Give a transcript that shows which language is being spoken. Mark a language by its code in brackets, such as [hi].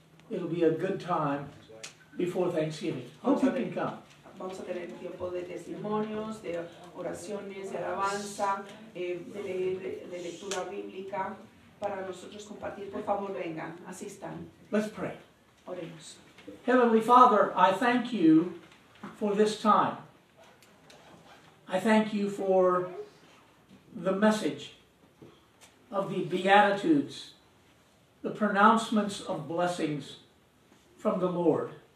[en] It'll be a good time before Thanksgiving. Hope you can come. [es] Vamos a tener tiempo de testimonios, de oraciones, de alabanza, de lectura bíblica para nosotros compartir. Por favor, vengan, asistan. [en] Let's pray. [es] Oremos. [en] Heavenly Father, I thank you for this time. I thank you for the message of the Beatitudes, the pronouncements of blessings from the Lord.